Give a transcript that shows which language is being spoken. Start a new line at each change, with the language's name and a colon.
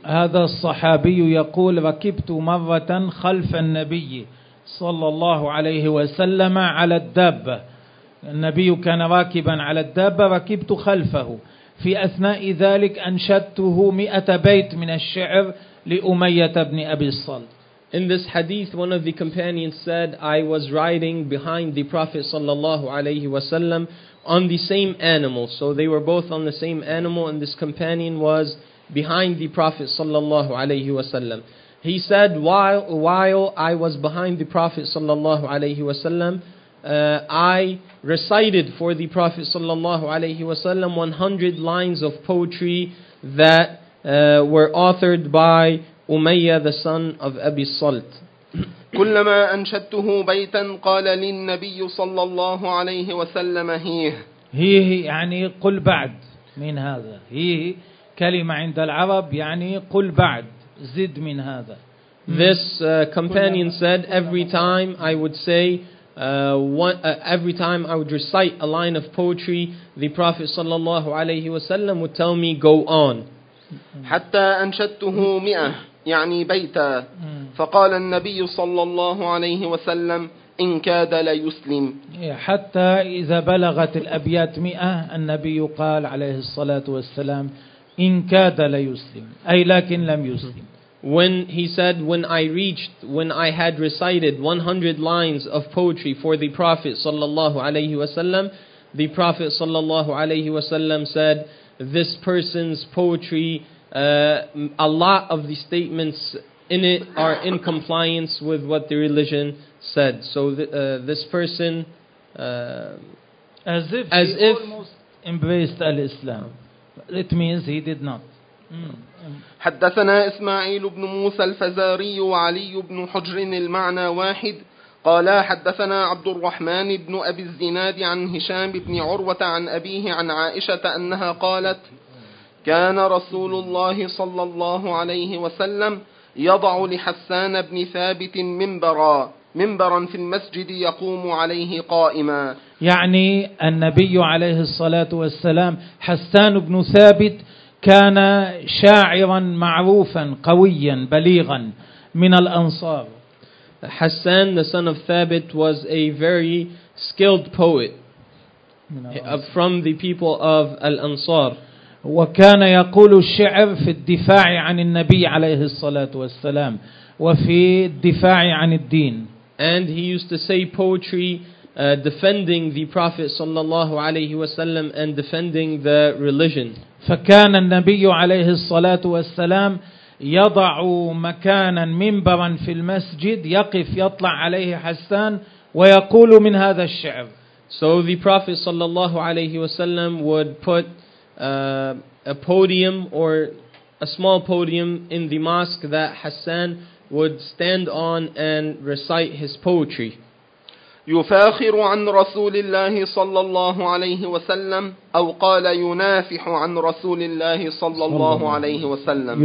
Arabic: هذا الصحابي يقول ركبت مرة خلف النبي صلى الله عليه وسلم على الدابة. النبي كان راكبا على الدابة ركبت خلفه في أثناء ذلك أنشدته 100 بيت من الشعر لأمية بن أبي الصلت.
English: In this hadith, one of the companions said, I was riding behind the Prophet sallallahu alayhi wasallam on the same animal. So they were both on the same animal, and this companion was behind the Prophet sallallahu alayhi wasallam. He said, while I was behind the Prophet sallallahu alayhi wasallam, I recited for the Prophet sallallahu alayhi wasallam 100 lines of poetry that were authored by Umayyah, the son of Abi Salt.
Arabic: كلما أنشدته بيتا قال للنبي صلى الله عليه وسلم هيه يعني قل بعد من هذا. هيه كلمة عند العرب يعني قل بعد زد من هذا.
English: This companion said every time I would say every time I would recite a line of poetry, the Prophet صلى الله عليه وسلم would tell me go on.
Arabic: حتى أنشدته 100 يعني بيتا فقال النبي صلى الله عليه وسلم إن كاد لا يسلم. حتى إذا بلغت الأبيات 100 النبي قال عليه الصلاة والسلام إن كاد لا يسلم أي لكن لم يسلم.
English: When he said when I had recited 100 lines of poetry for the Prophet صلى الله عليه وسلم, the Prophet صلى الله عليه وسلم said this person's poetry, a lot of the statements in it are in compliance with what the religion said. So this person, as if almost embraced al-Islam. It means he did not.
Arabic: حدثنا إسماعيل بن موسى الفزاري وعلي بن حجر المعنى واحد قالا حدثنا عبد الرحمن بن أبي الزناد عن هشام بن عروة عن أبيه عن عائشة أنها قالت كان رسول الله صلى الله عليه وسلم يضع لحسان بن ثابت منبرا في المسجد يقوم عليه قائما. يعني النبي عليه الصلاة والسلام حسان بن ثابت كان شاعرا معروفا قويا بليغا من الأنصار.
English: حسان the son of Thabit was a very skilled poet from the people of Al-Ansar.
Arabic: وكان يقول الشعر في الدفاع عن النبي عليه الصلاة والسلام وفي الدفاع عن الدين.
English: And he used to say poetry defending the Prophet صلى الله عليه وسلم and defending the religion.
Arabic: فكان النبي عليه الصلاة والسلام يضع مكانا منبرا في المسجد يقف يطلع عليه حسان ويقول من هذا الشعر.
English: So the Prophet صلى الله عليه وسلم would put a podium or a small podium in the mosque that Hassan would stand on and recite his poetry.
Arabic: يفاخر عن رسول الله صلى الله عليه وسلم أو قال ينافح عن رسول الله صلى الله عليه وسلم.